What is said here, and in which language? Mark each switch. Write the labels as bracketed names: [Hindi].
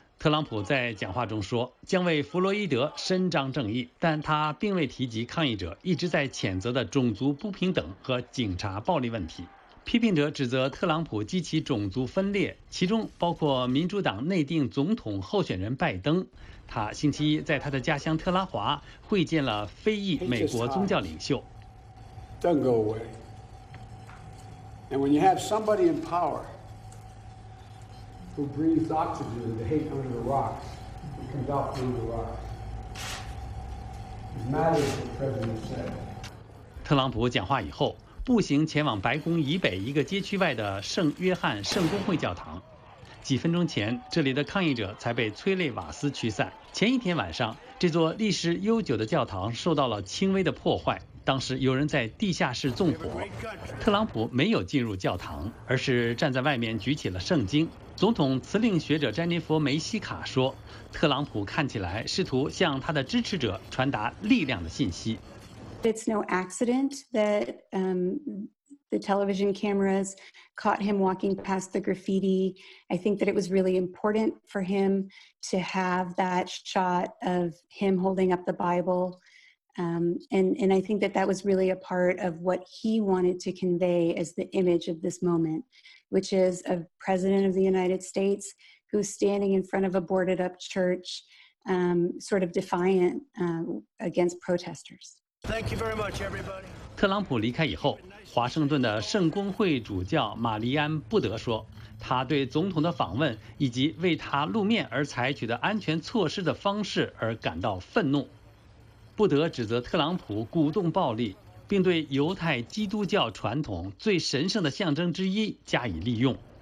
[Chinese] 特朗普在讲话中说，将为弗洛伊德伸张正义，但他并未提及抗议者一直在谴责的种族不平等和警察暴力问题。批评者指责特朗普激起种族分裂，其中包括民主党内定总统候选人拜登。他星期一在他的家乡特拉华会见了非裔美国宗教领袖。 [English] Don't go away. And when you have somebody in power who breathes oxygen to hate under the rocks and comes out through the rocks, it matters what the president said. [Chinese] 特朗普讲话以后，步行前往白宫以北一个街区外的圣约翰圣公会教堂。几分钟前，这里的抗议者才被催泪瓦斯驱散。前一天晚上，这座历史悠久的教堂受到了轻微的破坏，当时有人在地下室纵火。特朗普没有进入教堂，而是站在外面举起了圣经。总统辞令学者詹妮弗·梅西卡说，特朗普看起来试图向他的支持者传达力量的信息。 [English] It's no accident that the television cameras caught him walking past the graffiti. I think that it was really important for him to have that shot of him holding up the Bible. And I think that that was really a part of what he wanted to convey as the image of this moment, which is a president of the United States who's standing in front of a boarded up church, sort of defiant against protesters. Thank you very much, everybody. [Chinese] 特朗普离开以后，华盛顿的圣公会主教玛丽安·布德说，他对总统的访问以及为他露面而采取的安全措施的方式而感到愤怒。布德指责特朗普鼓动暴力，并对犹太基督教传统最神圣的象征之一加以利用。